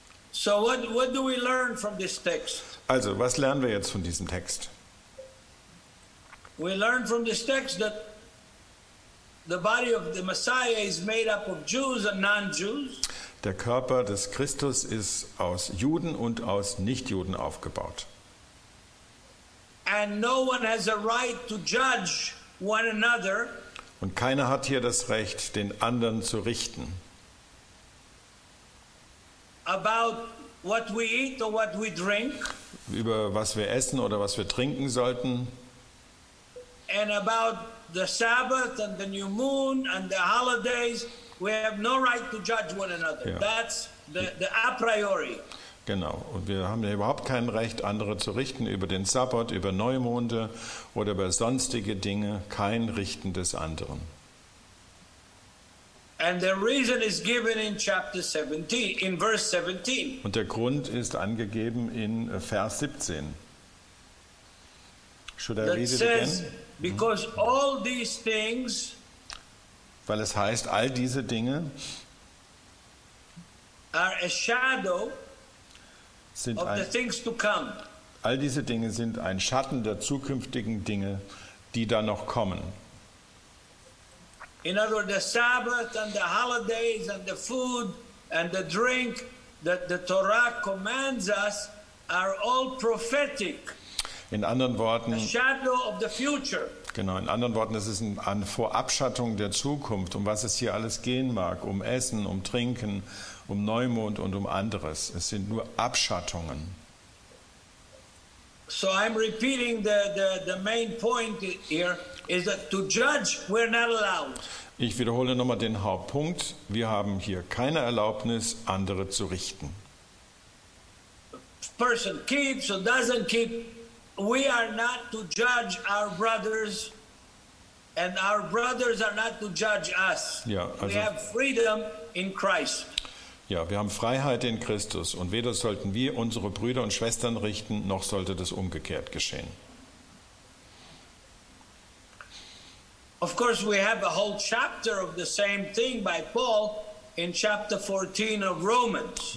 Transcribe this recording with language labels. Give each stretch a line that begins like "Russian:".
English: So what do we learn from this text?
German: Also, was lernen wir jetzt von diesem Text?
English: We learn from this text that the body of the Messiah is made up of Jews and non-Jews.
German: Der Körper des Christus ist aus Juden und aus Nichtjuden aufgebaut.
English: And no one has a right to judge one another.
German: Und keiner hat hier das Recht, den anderen zu richten.
English: About what we eat or what we drink.
German: Über was wir essen oder was wir trinken sollten.
English: And about the Sabbath and the new moon and the holidays, we have no right to judge one another. Ja. That's the a priori.
German: Genau, und wir haben ja überhaupt kein Recht, andere zu richten über den Sabbat, über Neumonde oder über sonstige Dinge, kein Richten des anderen.
English: And the reason is given in chapter 17, in verse 17.
German: Und der Grund ist angegeben in Vers 17.
English: Should I read it again? Because all these things,
German: weil es heißt, all diese Dinge
English: are a shadow.
German: All diese Dinge sind ein Schatten der zukünftigen Dinge, die da noch kommen.
English: In other words, the Sabbath and the holidays and the food and the drink that the Torah commands us are all prophetic.
German: In anderen Worten,
English: a shadow of the future.
German: Genau, in anderen Worten, es ist eine Vorabschattung der Zukunft, um was es hier alles gehen mag, um Essen, um Trinken, um Neumond und um anderes. Es sind nur Abschattungen.
English: So I'm repeating the main point here is that to judge we're not allowed.
German: Ich wiederhole nochmal den Hauptpunkt. Wir haben hier keine Erlaubnis, andere zu richten.
English: Person keeps or doesn't keep. We are not to judge our brothers and our brothers are not to judge us.
German: Ja, also,
English: we have freedom in Christ.
German: Ja, wir haben Freiheit in Christus und weder sollten wir unsere Brüder und Schwestern richten, noch sollte das umgekehrt geschehen.
English: Of course we have a whole chapter of the same thing by Paul in chapter 14 of Romans.